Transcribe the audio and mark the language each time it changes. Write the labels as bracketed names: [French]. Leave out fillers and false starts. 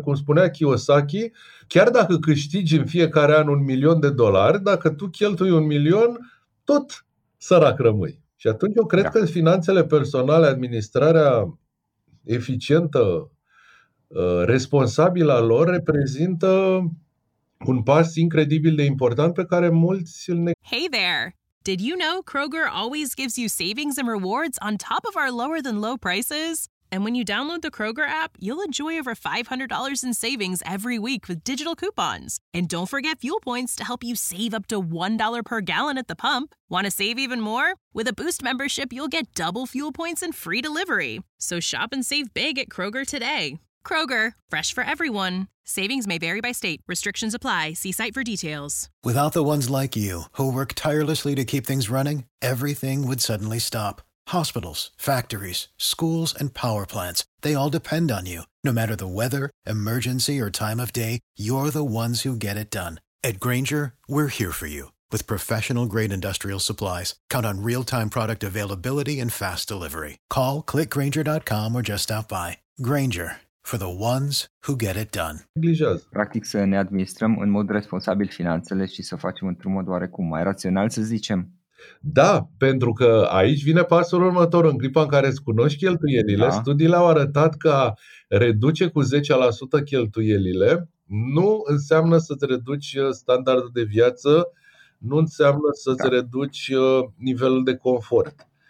[Romanian] Cum spunea Kiyosaki, chiar dacă câștigi în fiecare an $1,000,000, dacă tu cheltui $1,000,000, tot sărac rămâi. Și atunci eu cred că finanțele personale, administrarea eficientă, responsabilă a lor, reprezintă un pas incredibil de important pe care mulți îl ne... [English] Hey there! Did you know Kroger always gives you savings and rewards on top of our lower than low prices? And when you download the Kroger app, you'll enjoy over $500 in savings every week with digital coupons. And don't forget fuel points to help you save up to $1 per gallon at the pump. Want to save even more? With a Boost membership, you'll get double fuel points and free delivery. So shop and save big at Kroger today. Kroger, fresh for everyone. Savings may vary by state. Restrictions apply. See site for details. Without the ones like you, who work tirelessly to keep things running, everything would suddenly stop. Hospitals, factories, schools, and power plants, they all depend on you. No matter the weather, emergency, or time of day, you're the ones who get it done. At Grainger, we're here for you. With professional-grade industrial supplies, count on real-time product availability and fast delivery. Call, clickgrainger.com or just stop by. Grainger. For the ones who get it done. [Romanian] Practic să ne administrăm în mod responsabil finanțele și să facem într-un mod oarecum mai rațional, să zicem. Da, pentru că aici vine pasul următor. În clipa în care îți cunoști cheltuielile, studiile au arătat că reduce cu 10% cheltuielile nu înseamnă să-ți reduci standardul de viață, nu înseamnă să-ți reduci nivelul de confort.